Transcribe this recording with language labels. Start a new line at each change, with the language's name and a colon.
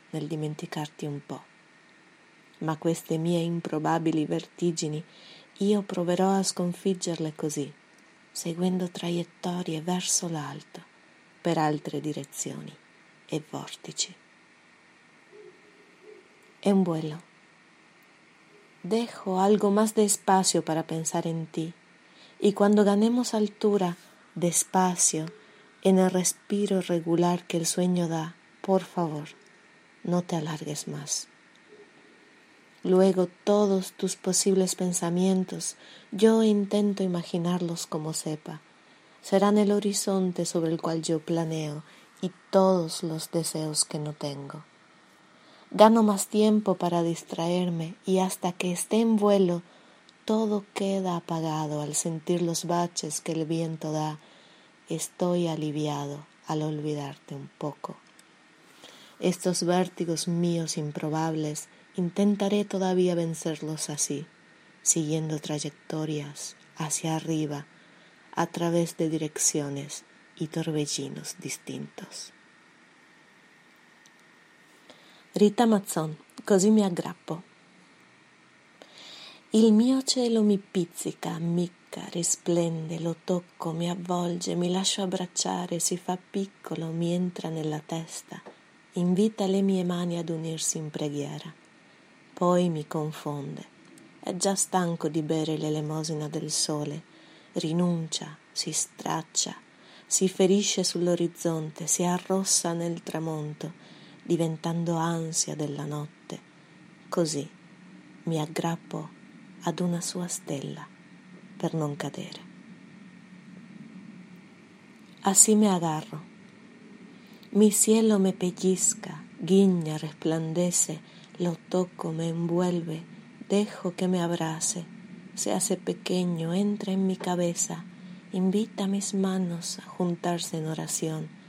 Italian: nel dimenticarti un po'. Ma queste mie improbabili vertigini io proverò a sconfiggerle così, seguendo traiettorie verso l'alto, per altre direzioni e vortici.
Spanish: È un vuelo. Dejo algo más de espacio para pensar en ti, y cuando ganemos altura, despacio, en el respiro regular que el sueño da, por favor, no te alargues más. Luego todos tus posibles pensamientos, yo intento imaginarlos como sepa, serán el horizonte sobre el cual yo planeo y todos los deseos que no tengo. Gano más tiempo para distraerme y hasta que esté en vuelo, todo queda apagado al sentir los baches que el viento da. Estoy aliviado al olvidarte un poco. Estos vértigos míos improbables, intentaré todavía vencerlos así, siguiendo trayectorias hacia arriba, a través de direcciones y torbellinos distintos.
Italian: Rita Mazzon, così mi aggrappo. Il mio cielo mi pizzica, ammicca, risplende, lo tocco, mi avvolge, mi lascio abbracciare, si fa piccolo, mi entra nella testa, invita le mie mani ad unirsi in preghiera. Poi mi confonde, è già stanco di bere l'elemosina del sole, rinuncia, si straccia, si ferisce sull'orizzonte, si arrossa nel tramonto, diventando ansia della notte. Così mi aggrappo ad una sua stella per non cadere.
Spanish: Así me agarro. Mi cielo me pellizca, guiña, resplandece, lo toco, me envuelve, dejo que me abrace, se hace pequeño, entra en mi cabeza, invita mis manos a juntarse en oración.